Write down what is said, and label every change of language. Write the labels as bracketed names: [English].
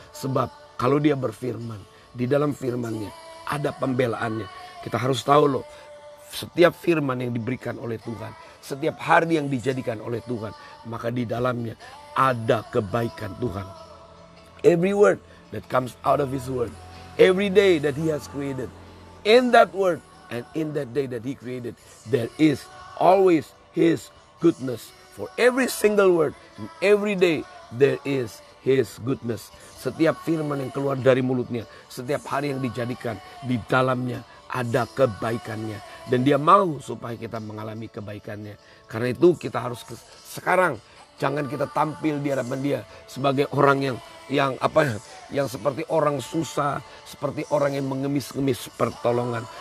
[Indonesian] Sebab kalau dia berfirman, di dalam firmannya ada pembelaannya. Kita harus tahu loh, setiap firman yang diberikan oleh Tuhan, setiap hari yang dijadikan oleh Tuhan, maka di dalamnya ada kebaikan Tuhan. [English] Every word that comes out of His word, every day that He has created, in that word and in that day that He created, there is always His goodness. For every single word and every day, there is His goodness. [Indonesian] Setiap firman yang keluar dari mulutnya, setiap hari yang dijadikan, di dalamnya ada kebaikannya. Dan Dia mau supaya kita mengalami kebaikannya. Karena itu kita harus sekarang, jangan kita tampil di hadapan Dia sebagai orang yang seperti orang susah, seperti orang yang mengemis-ngemis pertolongan.